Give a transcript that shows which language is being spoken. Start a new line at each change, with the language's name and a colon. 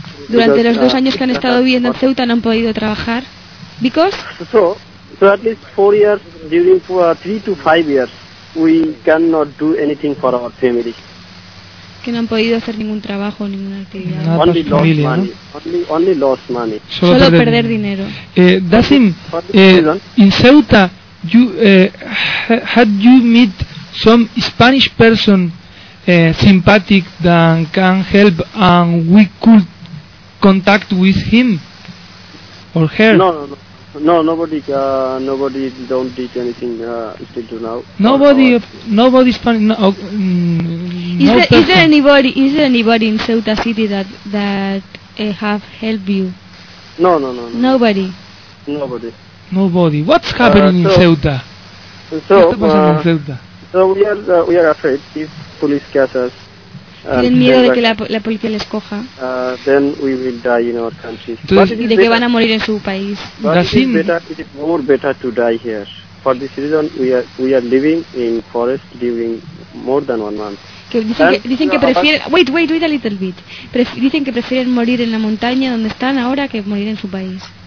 Spanish: Durante los 2 años que han estado viviendo en Ceuta no han podido trabajar.
English: Because? So at least 4 years, during 3 to 5 years. We cannot do anything for our family.
Spanish: Que no han podido hacer ningún trabajo, ninguna actividad. Nada, pues
English: only
Spanish: familia,
English: lost money.
Spanish: ¿No?
English: Only lost money.
Spanish: Solo perder dinero.
English: Dasim, in Ceuta, you had you meet some Spanish person sympathetic that can help and we could contact with him or her? No, nobody don't did anything still to now. Nobody Spanish. No, is there anybody in Ceuta City that have helped you? No, nobody. What's happening in Ceuta? So we are afraid if police catch us.
Spanish: Tienen miedo de que la policía les coja.
English: Then we will die in our country.
Spanish: Entonces, de que van a morir en su país.
English: It is more better to die here. For this reason, we are living in forest during more than 1 month.
Spanish: Dicen que prefieren morir en la montaña donde están ahora que morir en su país.